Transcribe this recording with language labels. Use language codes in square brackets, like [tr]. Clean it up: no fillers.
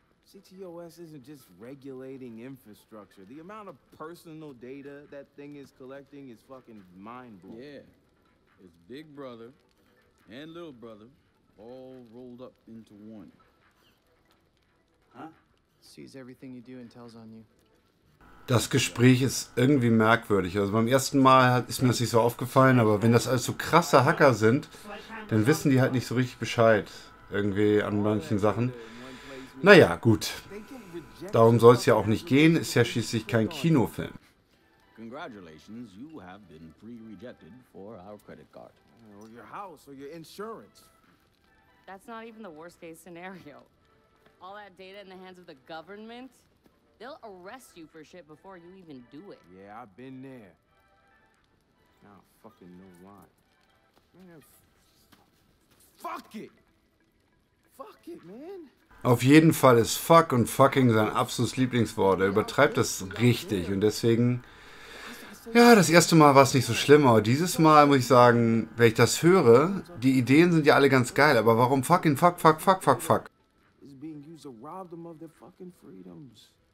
[en] CTOS isn't just regulating infrastructure. The amount of personal data that thing is collecting is fucking mind-blowing. Yeah. It's Big Brother and Little Brother all rolled up into one. Huh? Sees everything you do and tells on you. [de] Das Gespräch ist irgendwie merkwürdig. Also beim ersten Mal ist mir das nicht so aufgefallen, aber wenn das alles so krasse Hacker sind, dann wissen die halt nicht so richtig Bescheid. Irgendwie an manchen Sachen. Naja, gut. Darum soll es ja auch nicht gehen. Ist ja schließlich kein Kinofilm. [en] Congratulations, you have been pre-rejected for our credit card. Or your house, or your insurance. That's not even the worst case scenario. All that data in the hands of the government? They'll arrest you for shit before you even do it. Yeah, I've been there. Now I fucking know why. Man, fuck it! Fuck it, man. [de] Auf jeden Fall ist fuck und fucking sein absolutes Lieblingswort. Er übertreibt das richtig und deswegen, ja, das erste Mal war es nicht so schlimm, aber dieses Mal muss ich sagen, wenn ich das höre, die Ideen sind ja alle ganz geil, aber warum [en] fucking fuck, fuck, fuck, fuck, fuck? Is being used to rob them of their fucking freedoms.